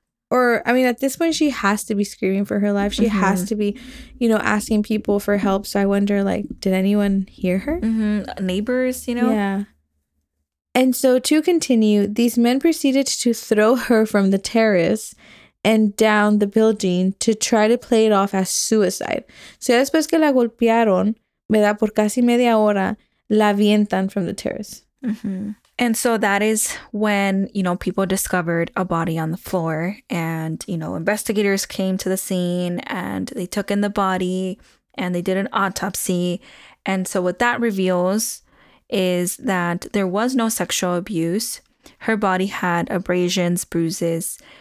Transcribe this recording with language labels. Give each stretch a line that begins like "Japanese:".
English: Or, I mean, at this point, she has to be screaming for her life. She has to be, you know, asking people for help. So I wonder, like, did anyone hear her? Neighbors, you know? Yeah. And so to continue, these men proceeded to throw her from the terrace and down the building to try to play it off as suicide.
Spanish: So después que la golpearon, ¿verdad? Por casi media hora, la avientan
English: from the terrace. And so that is when, you know, people discovered a body on the floor and, you know, investigators came to the scene and they took in the body and they did an autopsy. And so what that reveals is that there was no sexual abuse. Her body had abrasions, bruises,